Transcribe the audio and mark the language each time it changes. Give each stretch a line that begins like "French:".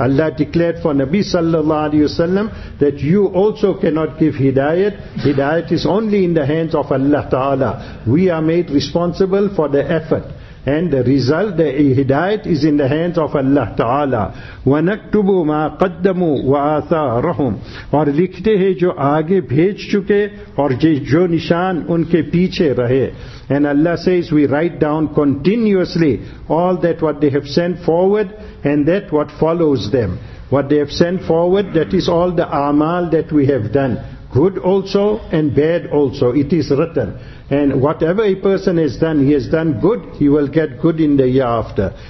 English: Allah declared for Nabi sallallahu alayhi wasallam that you also cannot give hidayat. Hidayat is only in the hands of Allah Ta'ala. We are made responsible for the effort. And the result, the hidayat, is in the hands of Allah Ta'ala.
Arabic: وَنَكْتُبُ مَا قَدَّمُوا وَآثَارَهُمْ.
Urdu: اور لکھتے ہیں جو آگے بھیج چکے اور جو نشان ان کے پیچھے رہے.
English: And Allah says, we write down continuously all that what they have sent forward and that what follows them. What they have sent forward, that is all the amal that we have done. Good also and bad also. It is written. And whatever a person has done, he has done good, he will get good in the year after.